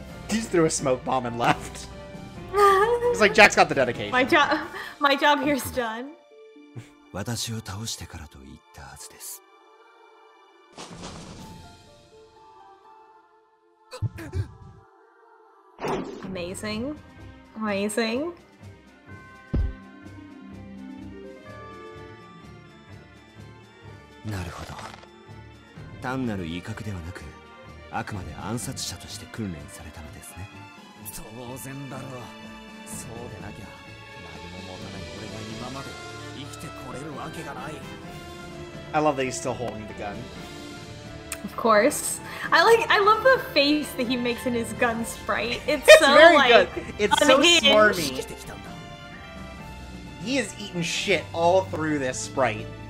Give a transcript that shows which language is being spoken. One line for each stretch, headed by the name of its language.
English: He just threw a smoke bomb and left. It's like Jack's got the dedication. My job here is done.
Japanese: 私を倒してからと言ったはずです。
English: Amazing. Amazing.
Japanese: なるほど。単なる威嚇ではなく、あくまで暗殺者として訓練されたのですね。当然だろう。そうでなきゃ何も持たない俺が今まで生きてこれるわけがない。
English: I love that he's still holding the gun. Of course. I love the face that he makes in his gun sprite. It's so very like good. It's unhinged. So smarmy. He is eating shit all through this sprite.